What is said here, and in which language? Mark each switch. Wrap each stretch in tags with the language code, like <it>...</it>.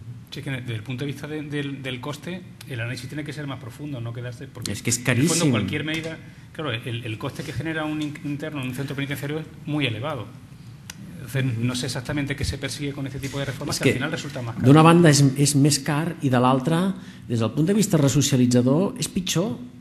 <ca>Sí, que des del punt de vista del coste, l'anàlisi ha de ser més profund, no quedar-se... És que és caríssim. El coste que genera un intern en un centre penitenciari és molt elevat.</ca> <es>No sé exactamente qué se persigue con este tipo de reformas, que al final resulta más caro.</es> <ca>D'una banda és més car i de l'altra, des del punt de vista resocialitzador, és pitjor.</ca>